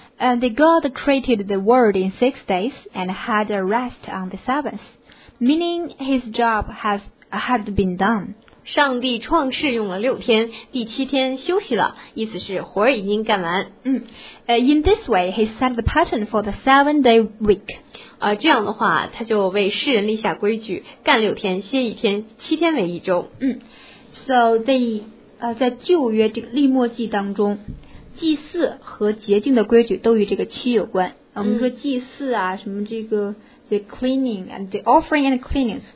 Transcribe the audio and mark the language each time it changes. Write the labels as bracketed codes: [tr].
[en] And the God created the world in 6 days and had a rest on the seventh, meaning his job had been done. [zh] 上帝创世用了六天，第七天休息了，意思是活已经干完。 [en] In this way, he set the pattern for the 7-day week. [zh] 这样的话，他就为世人立下规矩，干六天，歇一天，七天为一周。 [en] So they, [zh] 在旧约这个利末记当中祭祀和洁净的规矩都与这个七有关。我们说祭祀啊，什么这个 [en] the cleaning and the offering and cleaning。